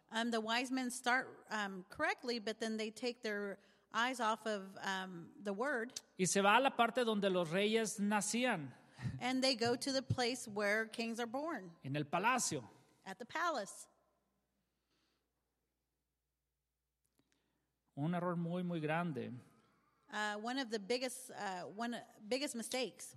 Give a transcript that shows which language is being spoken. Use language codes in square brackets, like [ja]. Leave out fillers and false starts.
[en] The wise men start correctly, but then they take their eyes off of the word. [es] Y se va a la parte donde los reyes nacían. [en] And they go to the place where kings are born. [es] En el palacio. [en] At the palace. [es] Un error muy, muy grande. [en] One of the biggest biggest mistakes.